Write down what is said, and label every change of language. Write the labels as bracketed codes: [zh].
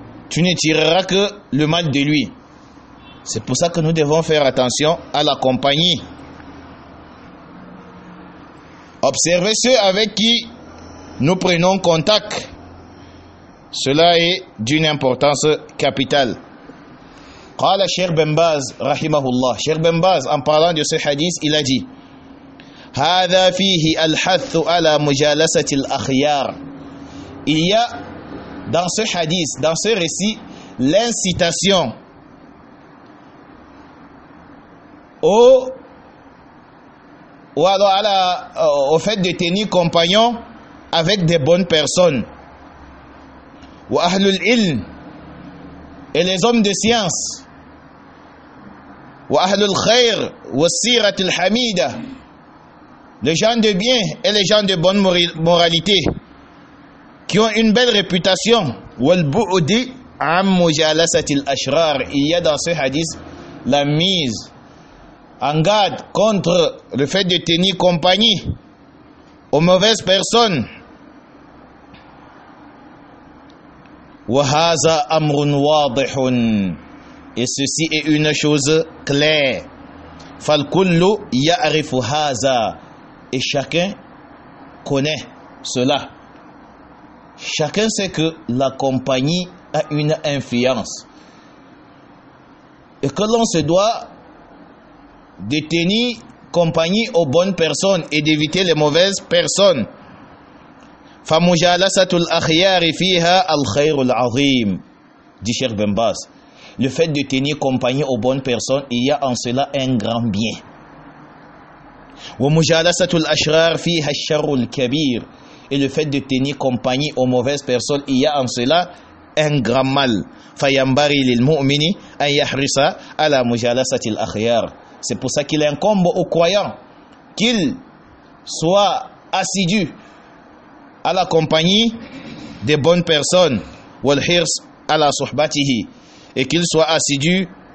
[fr] Tu n'étireras que le mal de lui. C'est pour ça que nous devons faire attention à la compagnie. Observez ceux avec qui nous prenons contact. Cela est d'une importance capitale. [ar] قال الشيخ بن باز رحمه الله. الشيخ بن باز عن [fr] parlant de ce hadith, il a dit: [ar] هذا فيه الحث على مجالسة الأخيار. [fr] Il y a dans ce hadith, dans ce récit, l'incitation au fait de tenir compagnon avec des bonnes personnes. [ar] وأهل العلم, [fr] et les hommes de science. [ar] وأهل الخير والسيرة الحميدة, [fr] les gens de bien et les gens de bonne moralité qui ont une belle réputation. [ar] والبعد عن مجالسة الأشرار. [fr] Il y a dans ce hadith la mise en garde contre le fait de tenir compagnie aux mauvaises personnes. [ar] وَهَذَا أَمْرٌ وَاضِحٌ [fr] Et ceci est une chose claire. [ar] فَالْكُلُّ يَعْرِفُ هَذَا [fr] Et chacun connaît cela. Chacun sait que la compagnie a une influence. Et que l'on se doit de tenir compagnie aux bonnes personnes et d'éviter les mauvaises personnes. [ar] فَمُجَالَسَةُ الْأَخْيَارِ فِيهَا الْخَيْرُ الْعَظِيمُ dit Cheikh Ben Baz. [fr] Le fait de tenir compagnie aux bonnes personnes, il y a en cela un grand bien. [ar] وَمُجَالَسَةُ الْأَشْرَارِ فِيهَا الشَّرُّ الْكَبِيرُ [fr] Et le fait de tenir compagnie aux mauvaises personnes, il y a en cela un grand mal. [ar] فَيَنْبَرِي لِلْمُؤْمِنِ أَنْ يَحْرِسَ عَلَى مُجَالَسَةِ الْأَخْيَارِ [fr] C'est pour ça qu'il incombe aux croyants qu'ils soient assidus à la compagnie des bonnes personnes, [ar] والحرص على صحبته, [fr] et qu'ils soient assidus